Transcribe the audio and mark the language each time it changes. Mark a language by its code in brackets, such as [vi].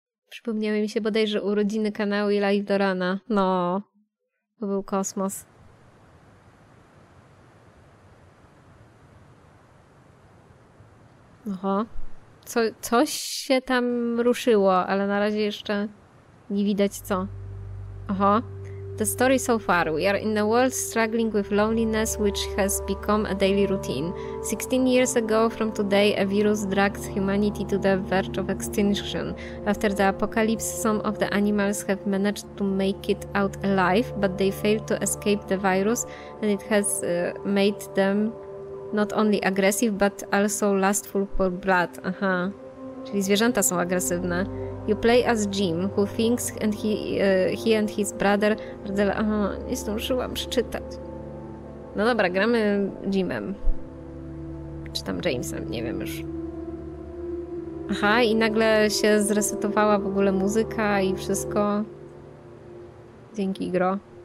[pl] Przypomniały mi się bodajże urodziny kanału i live do rana. No, to był kosmos. Oho, coś się tam ruszyło, ale na razie jeszcze nie widać co. [en] Oho, the story so far. We are in a world struggling with loneliness, which has become a daily routine. 16 years ago from today, a virus dragged humanity to the verge of extinction. After the apocalypse, some of the animals have managed to make it out alive, but they failed to escape the virus, and it has made them not only aggressive, but also lustful for blood. Aha. [pl] Czyli zwierzęta są agresywne. [en] You play as Jim, who thinks and he and his brother are the... [pl] Aha, nie zdążyłam przeczytać. No dobra, gramy Jimem. Czy tam Jamesem, nie wiem już. Aha, i nagle się zresetowała w ogóle muzyka i wszystko. Dzięki, gro.